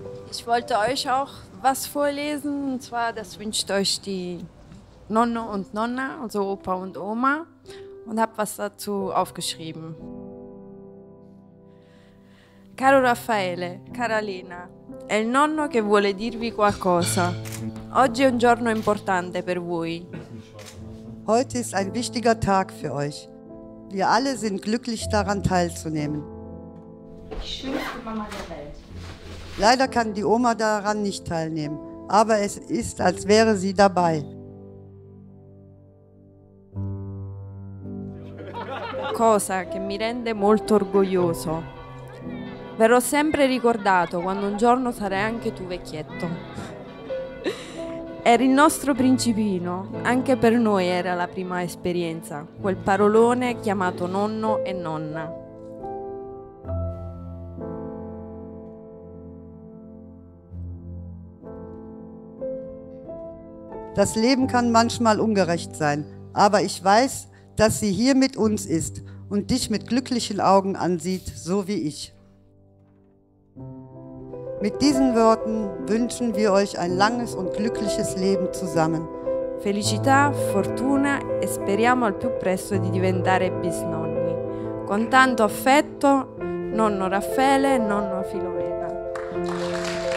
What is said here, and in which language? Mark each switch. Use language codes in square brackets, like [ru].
[de] Ich wollte euch auch was vorlesen, und zwar, das wünscht euch die Nonne und Nonna, also Opa und Oma, und hab was dazu aufgeschrieben. [it] Caro Raffaele, cara Lena, è il nonno che vuole dirvi qualcosa. Oggi è un giorno importante per voi. [de] Heute ist ein wichtiger Tag für euch. Wir alle sind glücklich daran teilzunehmen. Die schönste Mama der Welt. Leider kann die Oma daran nicht teilnehmen, aber es ist, als wäre sie dabei. [it] Cosa che mi rende molto orgoglioso. Verrò sempre ricordato quando un giorno sarai anche tu vecchietto. Era il nostro principino, anche per noi era la prima esperienza, quel parolone chiamato nonno e nonna. [de] Das Leben kann manchmal ungerecht sein, aber ich weiß, dass sie hier mit uns ist und dich mit glücklichen Augen ansieht, so wie ich. Mit diesen Worten wünschen wir euch ein langes und glückliches Leben zusammen. [it] Felicità, fortuna e speriamo al più presto di diventare bisnonni. Con tanto affetto, nonno Raffaele e nonno Filomena.